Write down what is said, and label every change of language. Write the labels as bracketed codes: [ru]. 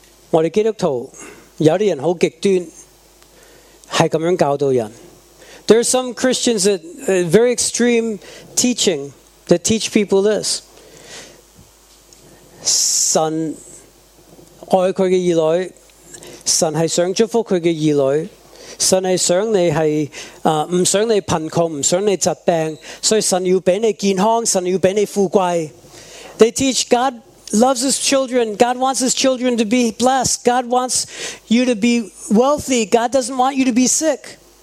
[zh] 我们基督徒,有些人很极端, 是这样教导人。 [en] There are some Christians that very extreme teaching that teach people this. [zh] 神爱他的儿女, 神是想祝福他的儿女, 神是想你是不想你贫穷,不想你疾病, 所以神要给你健康,神要给你富贵。 [en] They teach God loves His children, God wants His children to be blessed, God wants you to be wealthy, God doesn't want you to be sick.